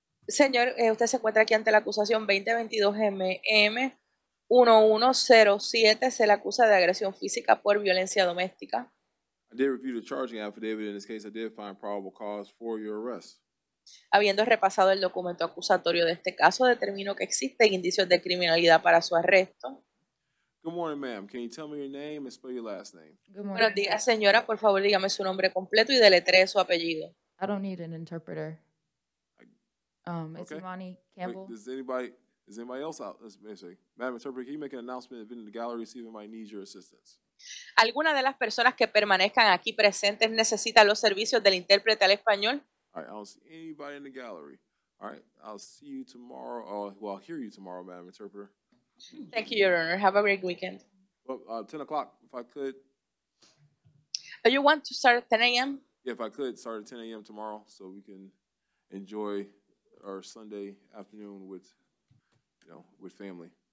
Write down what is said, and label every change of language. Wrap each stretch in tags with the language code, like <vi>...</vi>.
<es>Señor, usted se encuentra aquí ante la acusación 2022-MM-1107. Se le acusa de agresión física por violencia doméstica.</es> <en>I did review the charging affidavit. In this case, I did find probable cause for your arrest.</en> <es>Habiendo repasado el documento acusatorio de este caso, determino que existen indicios de criminalidad para su arresto.</es> <en>Good morning, ma'am. Can you tell me your name and spell your last name? Good morning.</en> <es>Buenos días, señora. Por favor, dígame su nombre completo y deletree su apellido.</es> <en>I don't need an interpreter. It's Imani Campbell. Wait, is anybody else out? Madam Interpreter, can you make an announcement if in the gallery receiving might need your assistance?</en> <es>¿Alguna de las personas que permanezcan aquí presentes necesita los servicios del intérprete al español?</es> <en>All right, I don't see anybody in the gallery. All right, I'll see you tomorrow. Well, I'll hear you tomorrow, Madam Interpreter. Thank you, Your Honor. Have a great weekend. Well, 10 o'clock, if I could. Oh, you want to start at 10 a.m.? Yeah, if I could, start at 10 a.m. tomorrow so we can enjoy our Sunday afternoon with, you know, with family.</en>